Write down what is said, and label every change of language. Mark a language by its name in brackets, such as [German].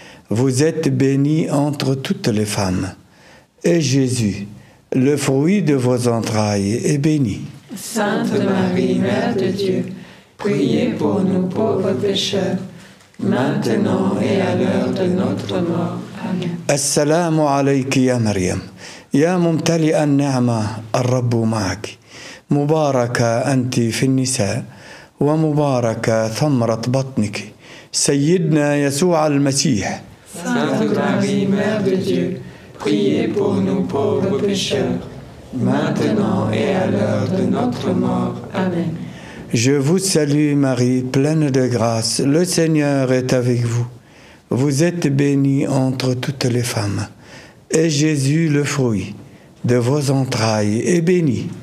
[French] Vous êtes bénie entre toutes les femmes. Et Jésus, le fruit de vos entrailles, est béni. Sainte Marie, Mère de Dieu, priez pour nous pauvres pécheurs, maintenant et à l'heure de notre mort. [Arabic] السلام عليك يا مريم يا ممتلئ النعمة الرب معك مباركة أنت في النساء ومباركة ثمرة بطنك سيدنا يسوع المسيح [French] Sainte Marie, Mère de Dieu, priez pour nous pauvres pécheurs, maintenant et à l'heure de notre mort. Amen. Je vous salue, Marie, pleine de grâce, le Seigneur est avec vous. Vous êtes bénie entre toutes les femmes, et Jésus, le fruit de vos entrailles, est béni.